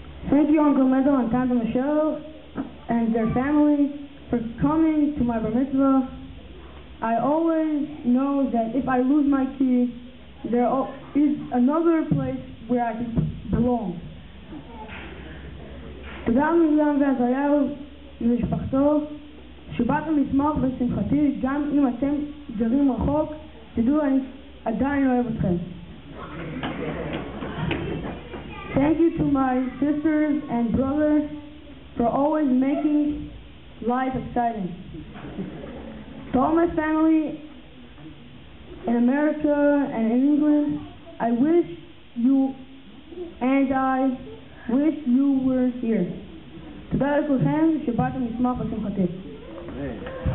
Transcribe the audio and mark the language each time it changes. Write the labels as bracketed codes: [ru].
[en] Thank you, Uncle Mendel and Tanta Michelle and their family for coming to my bar mitzvah. I always know that if I lose my key, there is another place where I can belong. [he] גם מיליון ועזריהו ומשפחתו, שבאתם לשמוח ושמחתי, גם אם אתם גרים רחוק, תדעו, אני עדיין אוהב אתכם. [en] Thank you to my sisters and brothers for always making life exciting. To all my family in America and in England, I wish you and I wish you were here. [he] תודה לכולכם שבאתם לשמוח ושמחתי.